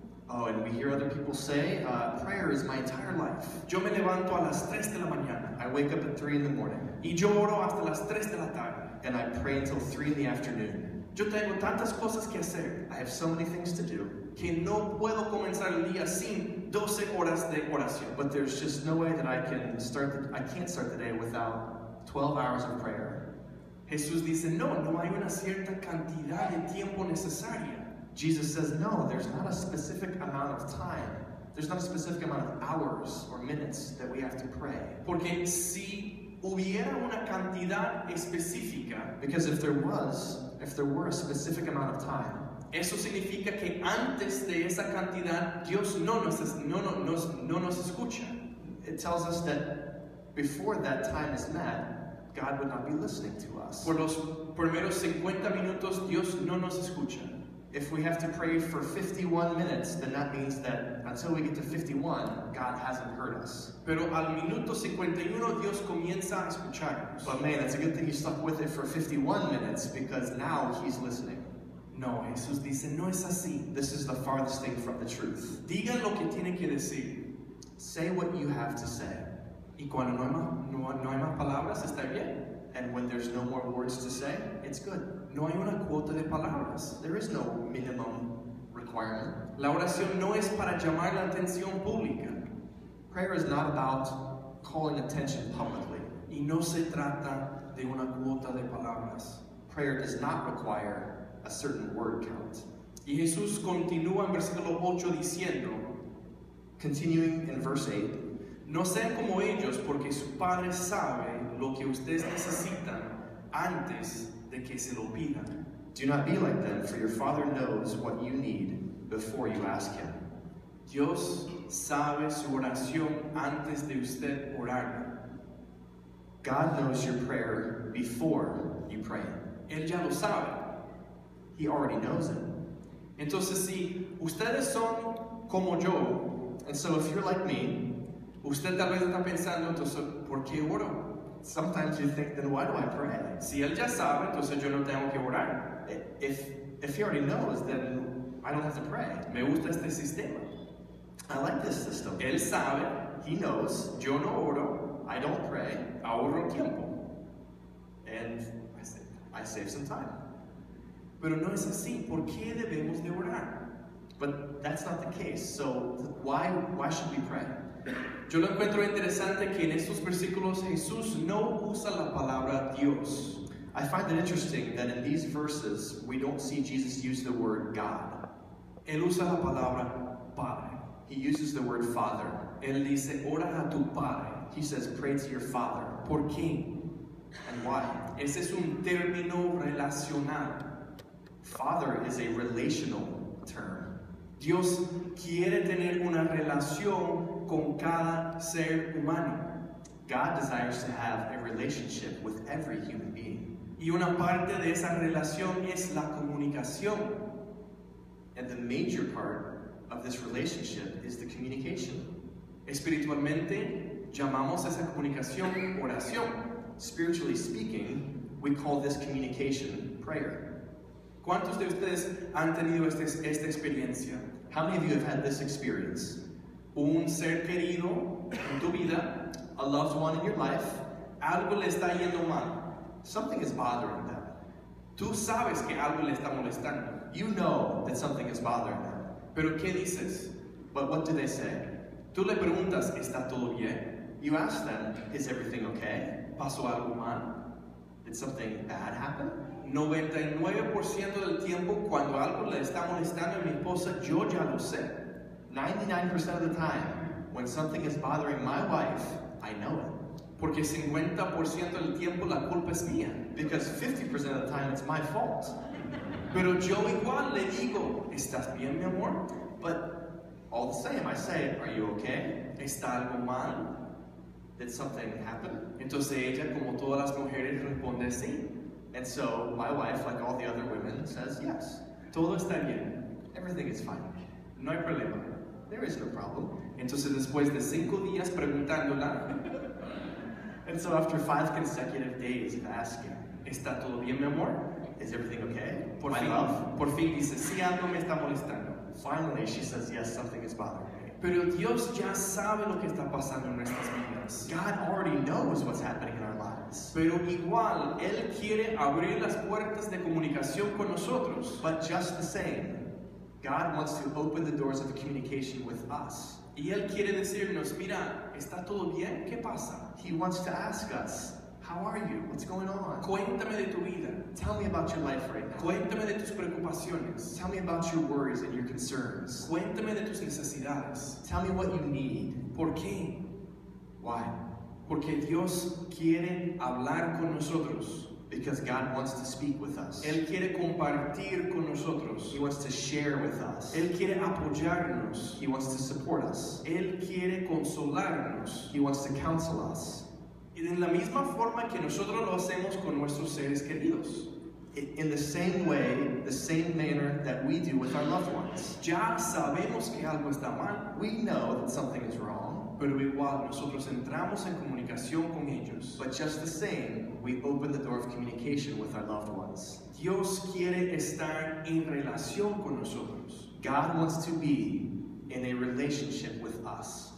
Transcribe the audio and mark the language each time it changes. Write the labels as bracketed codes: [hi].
[en] Oh, and we hear other people say, prayer is my entire life. [es] Yo me levanto a las 3 de la mañana. [en] I wake up at 3 in the morning. [es] Y yo oro hasta las 3 de la tarde. [en] And I pray until 3 in the afternoon. [es] Yo tengo tantas cosas que hacer. [en] I have so many things to do. [es] Que no puedo comenzar el día sin 12 horas de oración. [en] But there's just no way that I can't start the day without 12 hours of prayer. [es] Jesús dice, no, no hay una cierta cantidad de tiempo necesaria. [en] Jesus says, no, there's not a specific amount of time. There's not a specific amount of hours or minutes that we have to pray. [es] Porque si hubiera una cantidad específica, [en] because if there were a specific amount of time, [es] eso significa que antes de esa cantidad, Dios no nos escucha. [en] It tells us that before that time is met, God would not be listening to us. [es] Por los primeros 50 minutos, Dios no nos escucha. [en] If we have to pray for 51 minutes, then that means that until we get to 51, God hasn't heard us. [es] Pero al minuto 51, Dios comienza a escucharnos. [en] But man, it's a good thing you stuck with it for 51 minutes, because now he's listening. [es] No, Jesús dice, no es así. [en] This is the farthest thing from the truth. [es] Diga lo que tiene que decir. [en] Say what you have to say. [es] Y cuando no hay más palabras, está bien. [en] And when there's no more words to say, it's good. [es] No hay una cuota de palabras. [en] There is no minimum requirement. [es] La oración no es para llamar la atención pública. [en] Prayer is not about calling attention publicly. [es] Y no se trata de una cuota de palabras. [en] Prayer does not require a certain word count. [es] Y Jesús continúa en versículo 8 diciendo, [en] continuing in verse 8, [es] no sean como ellos, porque su Padre sabe lo que ustedes necesitan antes de que se lo pidan. [en] Do not be like them, for your Father knows what you need before you ask Him. [es] Dios sabe su oración antes de usted orarla. [en] God knows your prayer before you pray. [es] Él ya lo sabe. [en] He already knows it. [es] Entonces, si ustedes son como yo, [en] and so if you're like me, [es] usted tal vez está pensando, entonces, ¿por qué oro? [en] Sometimes you think, then why do I pray? [es] Si él ya sabe, entonces yo no tengo que orar. [en] If he already knows, then I don't have to pray. [es] Me gusta este sistema. [en] I like this system. [es] Él sabe. [en] He knows. [es] Yo no oro. [en] I don't pray. [es] Ahorro tiempo. [en] And I save some time. [es] Pero no es así. ¿Por qué debemos de orar? [en] But that's not the case. So why should we pray? [es] Yo lo encuentro interesante que en estos versículos Jesús no usa la palabra Dios. [en] I find it interesting that in these verses we don't see Jesus use the word God. [es] Él usa la palabra padre. [en] He uses the word father. [es] Él dice, ora a tu padre. [en] He says, pray to your father. [es] ¿Por qué? [en] And why? [es] Ese es un término relacional. [en] Father is a relational term. [es] Dios quiere tener una relación con cada ser humano. [en] God desires to have a relationship with every human being. [es] Y una parte de esa relación es la comunicación. [en] And the major part of this relationship is the communication. [es] Espiritualmente, llamamos esa comunicación oración. [en] Spiritually speaking, we call this communication prayer. [es] ¿Cuántos de ustedes han tenido esta experiencia? [en] How many of you have had this experience? [es] Un ser querido en tu vida, [en] a loved one in your life, [es] algo le está yendo mal. [en] Something is bothering them. [es] Tú sabes que algo le está molestando. [en] You know that something is bothering them. [es] Pero ¿qué dices? [en] But what do they say? [es] Tú le preguntas, ¿está todo bien? [en] You ask them, is everything okay? [es] ¿Pasó algo mal? [en] Did something bad happen? [es] 99% del tiempo, cuando algo le está molestando a mi esposa, yo ya lo sé. [en] 99% of the time, when something is bothering my wife, I know it. [es] Porque 50% del tiempo la culpa es mía. [en] Because 50% of the time, it's my fault. [es] Pero yo igual le digo, ¿estás bien, mi amor? [en] But all the same, I say, are you okay? [es] ¿Está algo mal? [en] Did something happen? [es] Entonces ella, como todas las mujeres, responde sí. [en] And so my wife, like all the other women, says yes. [es] Todo está bien. [en] Everything is fine. [es] No hay problema. [en] There is no problem. [es] Entonces después de 5 días preguntándola. [en] And so after 5 consecutive days of asking, [es] ¿está todo bien, mi amor? [en] Is everything okay? [es] Por my fin, love? Por fin dice, sí, algo me está molestando. [en] Finally, she says, yes, something is bothering me. [es] Pero Dios ya sabe lo que está pasando en nuestras vidas. [en] God already knows what's happening in our lives. [es] Pero igual, Él quiere abrir las puertas de comunicación con nosotros. [en] But just the same, God wants to open the doors of communication with us. [es] Y Él quiere decirnos, mira, ¿está todo bien? ¿Qué pasa? [en] He wants to ask us, how are you? What's going on? [es] Cuéntame de tu vida. [en] Tell me about your life right now. [es] Cuéntame de tus preocupaciones. [en] Tell me about your worries and your concerns. [es] Cuéntame de tus necesidades. [en] Tell me what you need. [es] ¿Por qué? [en] Why? [es] Porque Dios quiere hablar con nosotros. [en] Because God wants to speak with us. [es] Él quiere compartir con nosotros. [en] He wants to share with us. [es] Él quiere apoyarnos. [en] He wants to support us. [es] Él quiere consolarnos. [en] He wants to counsel us. [es] Y en la misma forma que nosotros lo hacemos con nuestros seres queridos. [en] In the same way, the same manner that we do with our loved ones. [es] Ya sabemos que algo está mal. [en] We know that something is wrong. [es] Pero igual nosotros entramos en comunicación con ellos. [en] But just the same, we open the door of communication with our loved ones. [es] Dios quiere estar en relación con nosotros. [en] God wants to be in a relationship with us.